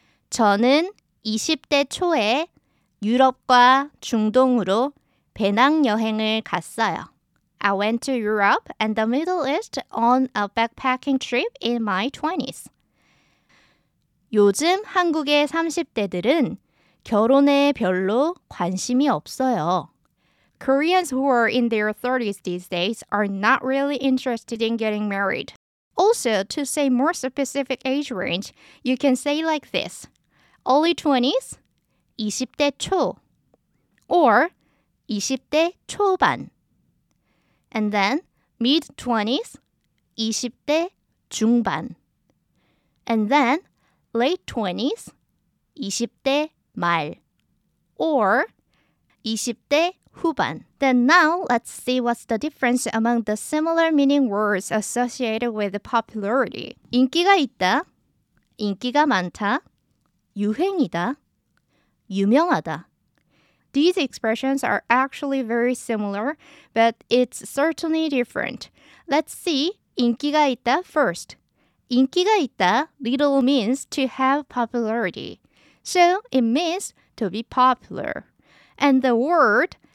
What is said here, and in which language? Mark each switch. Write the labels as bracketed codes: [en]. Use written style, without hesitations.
[ko] 저는 20대 초에 유럽과 중동으로 배낭여행을 갔어요. [en] I went to Europe and the Middle East on a backpacking trip in my 20s. [ko] 요즘 한국의 30대들은 결혼에 별로 관심이 없어요. [en] Koreans who are in their 30s these days are not really interested in getting married. Also, to say more specific age range, you can say like this. Early 20s, [ko] 20대 초, [en] or [ko] 20대 초반. [en] And then, mid 20s, [ko] 20대 중반. [en] And then, late 20s, [ko] 20대 말, [en] or [ko] 20대 후반. [en] Then now, let's see what's the difference among the similar meaning words associated with popularity. [ko] 인기가 있다, 인기가 많다, 유행이다, 유명하다. [en] These expressions are actually very similar, but it's certainly different. Let's see [ko] 인기가 있다 [en] first. [ko] 인기가 있다 [en] little means to have popularity. So it means to be popular. And the word